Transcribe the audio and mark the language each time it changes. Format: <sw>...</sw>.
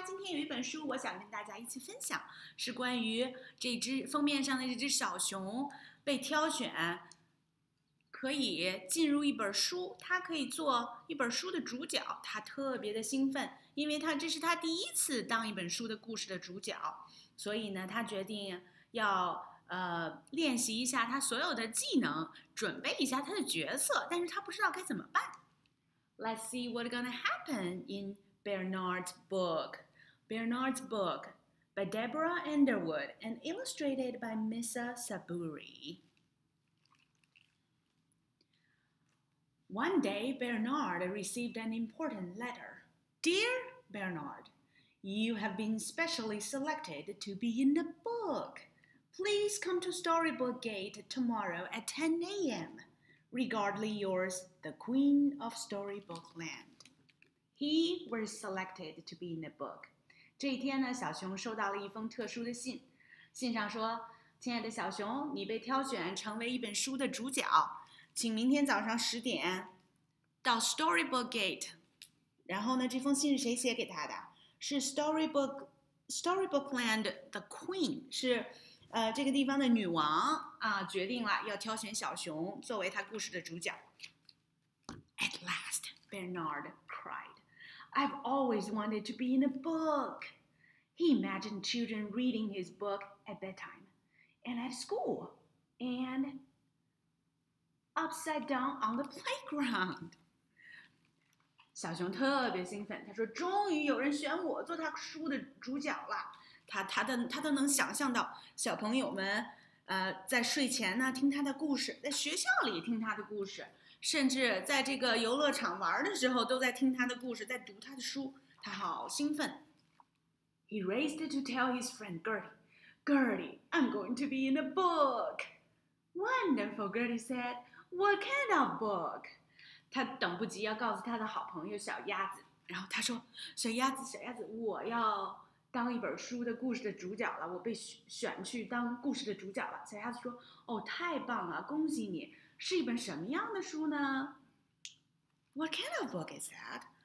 <zh>今天有一本书，我想跟大家一起分享，是关于这只封面上的这只小熊被挑选，可以进入一本书，它可以做一本书的主角，它特别的兴奋，因为它这是它第一次当一本书的故事的主角，所以呢，它决定要练习一下它所有的技能，准备一下它的角色，但是它不知道该怎么办。</zh> <en>Let's see what's gonna happen in Bearnard's book. Bearnard's book by Deborah Underwood and illustrated by Missa Saburi. One day, Bearnard received an important letter. Dear Bearnard, you have been specially selected to be in the book. Please come to Storybook Gate tomorrow at 10 a.m. Regardly yours, the Queen of Storybook Land. He was selected to be in the book.</en> <zh>这一天呢，小熊收到了一封特殊的信。信上说，亲爱的小熊，你被挑选成为一本书的主角。请明天早上十点到 Storybook Gate。然后呢，这封信是谁写给他的？是 Storybook Land the Queen， 是这个地方的女王啊，决定了要挑选小熊作为她故事的主角。</zh> <en>At last, Bearnard cried. I've always wanted to be in a book. He imagined children reading his book at bedtime and at school and upside down on the playground.</en> <zh>小熊特别兴奋，他说终于有人选我做他书的主角了。他都能想象到小朋友们在睡前呢听他的故事，在学校里听他的故事。甚至在这个游乐场玩的时候都在听他的故事，在读他的书，他好兴奋。</zh> <en>He raced to tell his friend Gertie. Gertie, I'm going to be in a book. Wonderful, Gertie said. What kind of book?</en> <zh>他等不及要告诉他的好朋友小鸭子，然后他说，小鸭子，我要当一本书的故事的主角了，我被选去当故事的主角了。小鸭子说，哦，太棒了，恭喜你。是一本什么样的书呢？</zh> <en>What kind of book is that?</en>